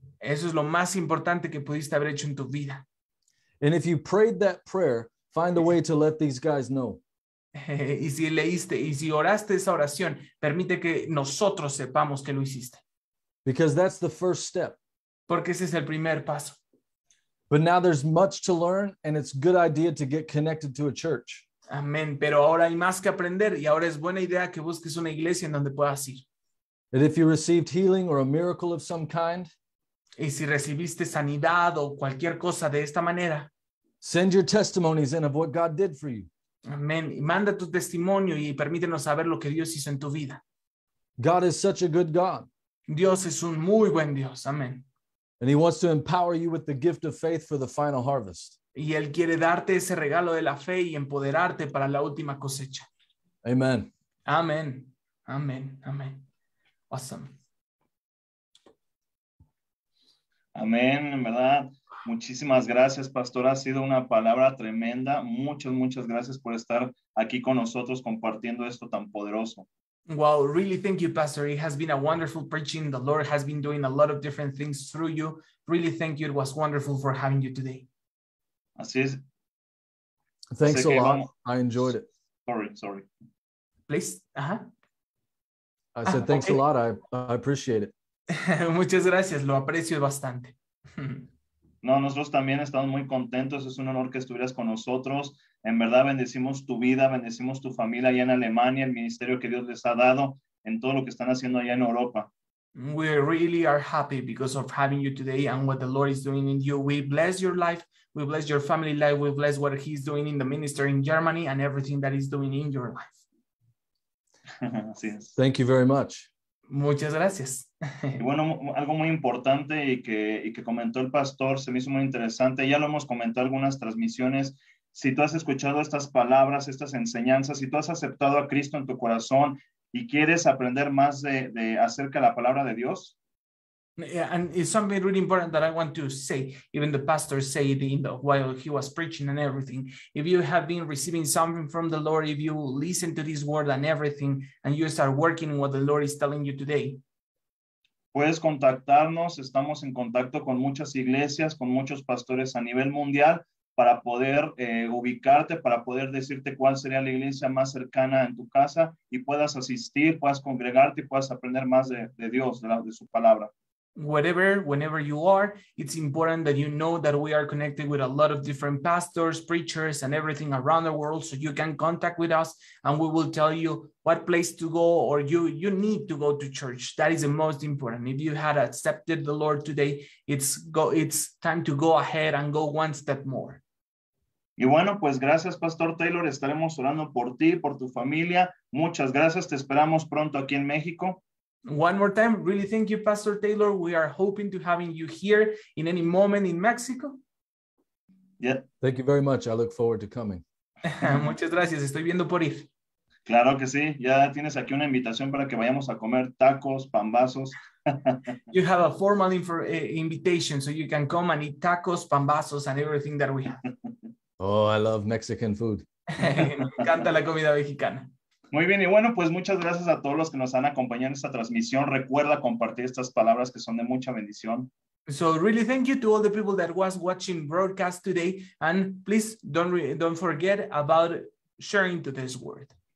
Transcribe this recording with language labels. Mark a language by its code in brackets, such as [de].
[es] Eso es lo más importante que pudiste haber hecho en tu vida. [en] And if you prayed that prayer, find a way to let these guys know. [es] Y si leíste, y si oraste esa oración, permite que nosotros sepamos que lo hiciste. [en] Because that's the first step. [es] Porque ese es el primer paso. [en] But now there's much to learn, and it's a good idea to get connected to a church. [es] Amén. Pero ahora hay más que aprender, y ahora es buena idea que busques una iglesia en donde puedas ir. [en] And if you received healing or a miracle of some kind, [es] y si recibiste sanidad o cualquier cosa de esta manera, [en] send your testimonies in of what God did for you. [es] Amén. Y manda tu testimonio y permítenos saber lo que Dios hizo en tu vida. [en] God is such a good God. [es] Dios es un muy buen Dios. Amén. [en] And he wants to empower you with the gift of faith for the final harvest. [es] Y él quiere darte ese regalo de la fe y empoderarte para la última cosecha. [en] Amen. Amen. Amen. Amen. Awesome. [es] Amen. En verdad, muchísimas gracias, pastor. Ha sido una palabra tremenda. Muchas, muchas gracias por estar aquí con nosotros compartiendo esto tan poderoso. [en] Well, really, thank you, Pastor. It has been a wonderful preaching. The Lord has been doing a lot of different things through you. Really, thank you. It was wonderful for having you today. [es] Así es. [en] Thanks a lot. I enjoyed it. Sorry. Please. I said thanks a lot. I appreciate it. [es] Muchas gracias. Lo aprecio bastante. No, nosotros también estamos muy contentos. Es un honor que estuvieras con nosotros. En verdad, bendecimos tu vida, bendecimos tu familia allá en Alemania, el ministerio que Dios les ha dado en todo lo que están haciendo allá en Europa. [en] We really are happy because of having you today and what the Lord is doing in you. We bless your life, we bless your family life, we bless what he's doing in the ministry in Germany and everything that he's doing in your life. [es] Así es. [en] Thank you very much. [es] Muchas gracias. Y bueno, algo muy importante y que comentó el pastor, se me hizo muy interesante. Ya lo hemos comentado en algunas transmisiones. si tú has escuchado estas palabras, estas enseñanzas, si tú has aceptado a Cristo en tu corazón y quieres aprender más de acerca de la palabra de Dios. [en] Yeah, and it's something really important that I want to say. Even the pastor said in the, while he was preaching and everything, if you have been receiving something from the Lord, if you listen to this word and everything, and you start working what the Lord is telling you today. [es] Puedes contactarnos. Estamos en contacto con muchas iglesias, con muchos pastores a nivel mundial para poder ubicarte, para poder decirte cuál sería la iglesia más cercana en tu casa y puedas asistir, puedas congregarte y puedas aprender más de Dios, de su palabra. [en] Whatever, whenever you are, it's important that you know that we are connected with a lot of different pastors, preachers, and everything around the world, so you can contact with us, and we will tell you what place to go, or you need to go to church. That is the most important. If you had accepted the Lord today, it's time to go ahead and go one step more. [es] Y bueno, pues gracias, Pastor Taylor. Estaremos orando por ti, por tu familia. Muchas gracias. Te esperamos pronto aquí en México. [en] One more time, really thank you, Pastor Taylor. We are hoping to having you here in any moment in Mexico. Yeah. Thank you very much. I look forward to coming. [es] Muchas gracias. Estoy viendo por ir. Claro que sí. Ya tienes aquí una invitación para que vayamos a comer tacos, pambazos. [en] You have a formal invitation so you can come and eat tacos, pambazos, and everything that we have. Oh, I love Mexican food. [es] Me encanta la comida mexicana. Muy bien, y bueno, pues muchas gracias a todos los que nos han acompañado en esta transmisión. Recuerda compartir estas palabras que son de mucha bendición. [en] So really thank you to all the people that was watching broadcast today, and please don't forget about sharing to this word.